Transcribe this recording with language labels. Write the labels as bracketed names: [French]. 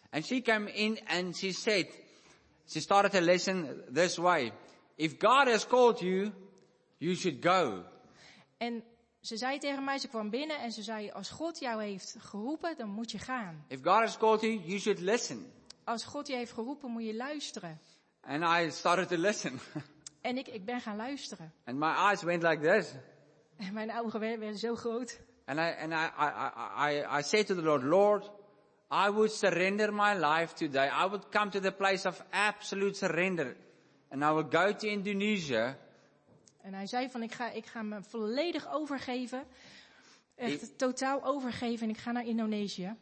[English] And she came in and she started her lesson this way. If God has called you, you should go. [Dutch] En ze zei tegen mij, ze kwam binnen en ze zei, als God jou heeft geroepen, dan moet je gaan. [English] If God has called you, you should listen. [Dutch] Als God je heeft geroepen, moet je luisteren. [English] And I started to listen. [Dutch] En ik ben gaan luisteren. [English] And my eyes went like this. [Dutch] En mijn ogen werden zo groot. [English] And I said to the Lord, Lord, I would surrender my life today. I would come to the place of absolute surrender. And I would go to Indonesia. [Dutch] En hij zei van, ik ga me volledig overgeven. Echt totaal overgeven en ik ga naar Indonesië.